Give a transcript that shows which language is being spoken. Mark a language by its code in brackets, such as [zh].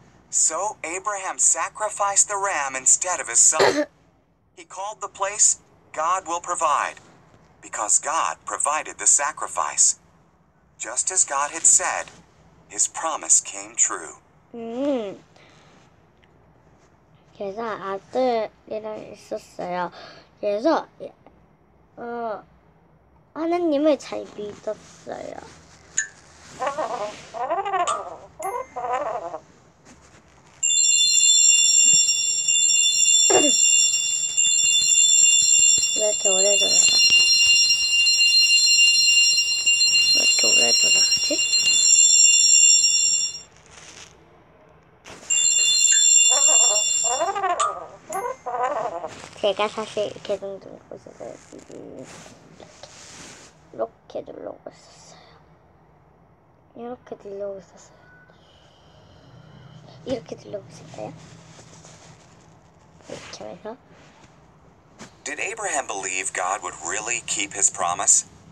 [en] So Abraham sacrificed the ram instead of his son. He called the place God will provide, because God provided the sacrifice, just as God had said. His promise came true. [ko] 그래서 아들이랑 있었어요. 그래서 하나님을 잘 믿었어요. 왜 이렇게 오래 돌아가? 왜 이렇게 오래 돌아가지? 제가 사실 이렇게 둥둥 보셔서 이렇게 누르고 있었어요. 이렇게 누르고 있었어요. 이렇게 누르고 있었어요. 이렇게 해서. [en] Did Abraham believe God would really keep his promise?